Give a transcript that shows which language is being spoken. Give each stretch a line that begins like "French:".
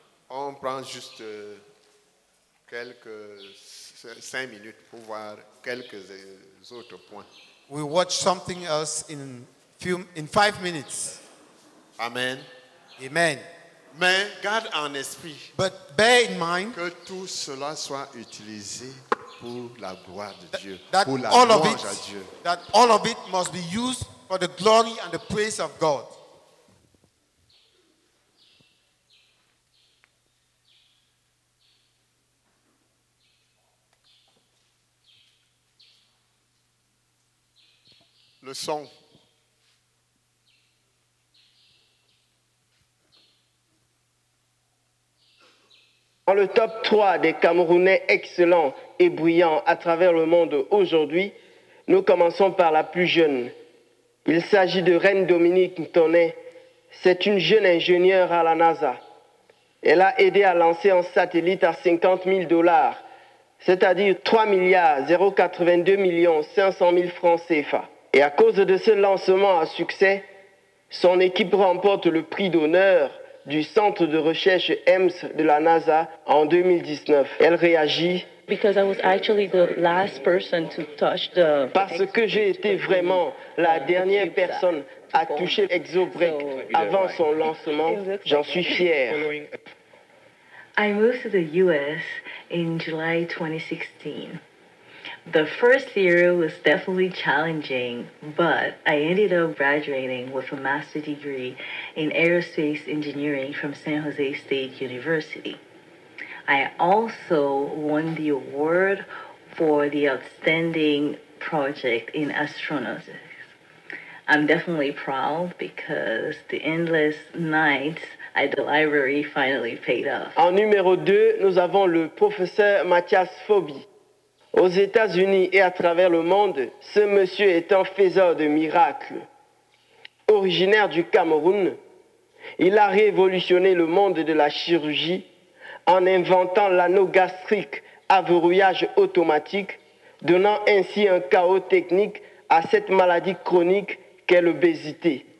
French: On prend juste quelques 5 minutes pour voir quelques autres points.
English: We watch something else in 5 minutes.
French: Amen. Amen. Mais garde en esprit.
English: But bear in mind
French: que tout cela soit utilisé pour la gloire de Dieu,
English: that
French: pour la
English: all
French: louange
English: of it,
French: à Dieu.
English: That all of it must be used for the glory and the praise of God.
French: Le son. Dans le top 3 des Camerounais excellents et brillants à travers le monde aujourd'hui, nous commençons par la plus jeune. Il s'agit de Reine Dominique Ntonet. C'est une jeune ingénieure à la NASA. Elle a aidé à lancer un satellite à $50,000, c'est-à-dire 3,082,500,000 francs CFA. Et à cause de ce lancement à succès, son équipe remporte le prix d'honneur du Centre de recherche EMS de la NASA en 2019. Elle réagit
English: Because I was actually the last person to touch the
French: parce que j'ai été vraiment la dernière personne à toucher l'exobrick avant son lancement. J'en suis fier.
English: I moved to the US in July 2016. The first year was definitely challenging, but I ended up graduating with a master's degree in aerospace engineering from San Jose State University. I also won the award for the outstanding project in astronautics. I'm definitely proud because the endless nights at the library finally paid off.
French: En numéro 2, nous avons le professeur Mathias Fauby. Aux États-Unis et à travers le monde, ce monsieur est un faiseur de miracles. Originaire du Cameroun, il a révolutionné le monde de la chirurgie en inventant l'anneau gastrique à verrouillage automatique, donnant ainsi un chaos technique à cette maladie chronique qu'est l'obésité.